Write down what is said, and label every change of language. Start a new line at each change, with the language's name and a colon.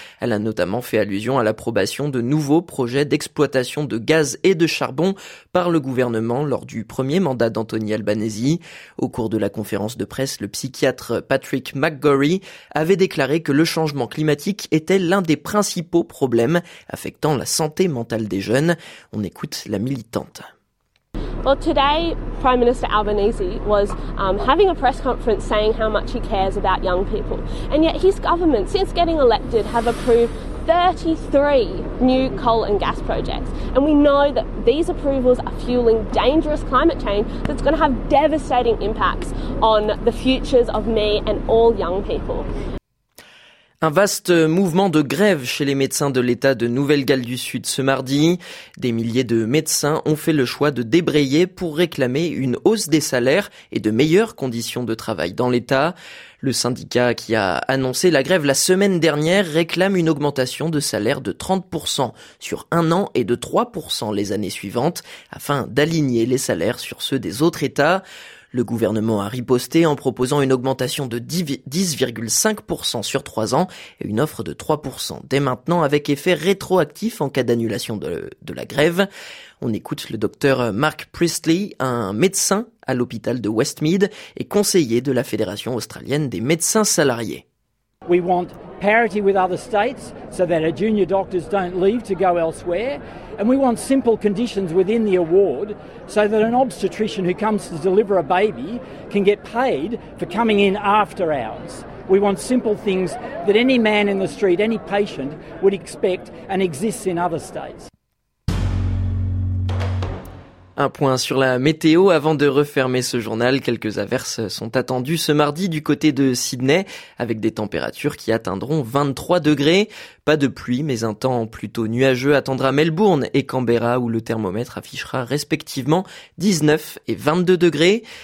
French: Elle a notamment fait allusion à l'approbation de nouveaux projets d'exploitation de gaz et de charbon par le gouvernement lors du premier mandat d'Anthony Albanese. Au cours de la conférence de presse, le psychiatre Patrick McGorry avait déclaré que le changement climatique était l'un des principaux problèmes affectant la santé mentale des jeunes. On écoute la militante.
English: Well, today Prime Minister Albanese was having a press conference saying how much he cares about young people. And yet his government, since getting elected, have approved 33 new coal and gas projects. And we know that these approvals are fueling dangerous climate change that's going to have devastating impacts on the futures of me and all young people.
French: Un vaste mouvement de grève chez les médecins de l'État de Nouvelle-Galles du Sud ce mardi. Des milliers de médecins ont fait le choix de débrayer pour réclamer une hausse des salaires et de meilleures conditions de travail dans l'État. Le syndicat qui a annoncé la grève la semaine dernière réclame une augmentation de salaire de 30% sur un an et de 3% les années suivantes afin d'aligner les salaires sur ceux des autres États. Le gouvernement a riposté en proposant une augmentation de 10,5% sur 3 ans et une offre de 3% dès maintenant avec effet rétroactif en cas d'annulation de la grève. On écoute le docteur Mark Priestley, un médecin à l'hôpital de Westmead et conseiller de la Fédération australienne des médecins salariés.
English: We want parity with other states so that our junior doctors don't leave to go elsewhere. And we want simple conditions within the award so that an obstetrician who comes to deliver a baby can get paid for coming in after hours. We want simple things that any man in the street, any patient, would expect and exists in other states.
French: Un point sur la météo avant de refermer ce journal. Quelques averses sont attendues ce mardi du côté de Sydney avec des températures qui atteindront 23 degrés. Pas de pluie mais un temps plutôt nuageux attendra Melbourne et Canberra où le thermomètre affichera respectivement 19 et 22 degrés.